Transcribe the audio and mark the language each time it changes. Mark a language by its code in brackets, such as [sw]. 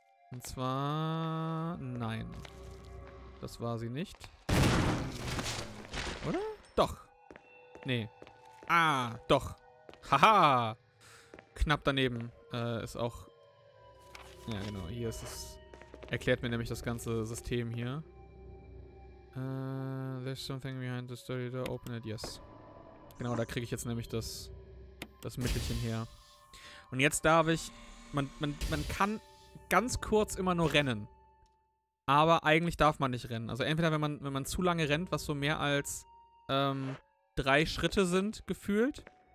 [de] Und zwar... Nein. Das war sie nicht. Oder? Doch. Nee. Ah, doch. Haha. Knapp daneben ist auch... Ja, genau. Hier ist es... Erklärt mir nämlich das ganze System hier. [en] There's something behind the study door. Open it. Yes. [de] Genau, da kriege ich jetzt nämlich das Mittelchen her. Und jetzt darf ich... Man kann ganz kurz immer nur rennen. Aber eigentlich darf man nicht rennen. Also entweder wenn man zu lange rennt, was so mehr als 3 Schritte sind, gefühlt.